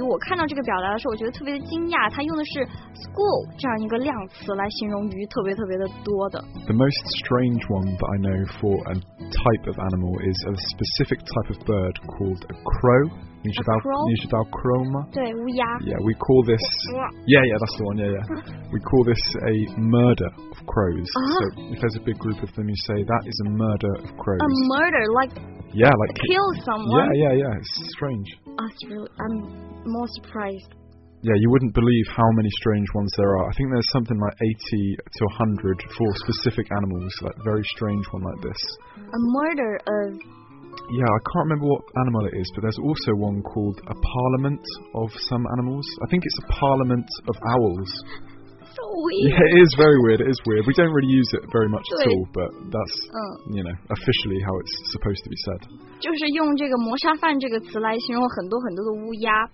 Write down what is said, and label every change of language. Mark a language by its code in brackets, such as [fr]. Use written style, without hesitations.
[zh] 我看到这个表达的时候，我觉得特别的惊讶。它用的是 school 这样一个量词来形容鱼，特别特别的多的。 [en] The most strange one that I know for a type of animal is a specific type of bird called a crow. You should know [zh] crow 吗？对，乌鸦。 [en] Yeah, we call this. Yeah, yeah, that's the one. Yeah, yeah. We call this a murder of crows. So if there's a big group of them, you say that is a murder of crows. A murder, like. Yeah, like kill someone. Yeah. It's strange. I'm more surprised. Yeah, you wouldn't believe how many strange ones there are. I think there's something like 80 to 100 for specific animals, like very strange one like this. A murder of. Yeah, I can't remember what animal it is, but there's also one called a parliament of some animals. I think it's a parliament of owls. So weird. Yeah, it is very weird. It is weird. We don't really use it very much at all, but that's, you know, officially how it's supposed to be said. [zh] 就是用这个谋杀犯这个词来形容很多很多的乌鸦。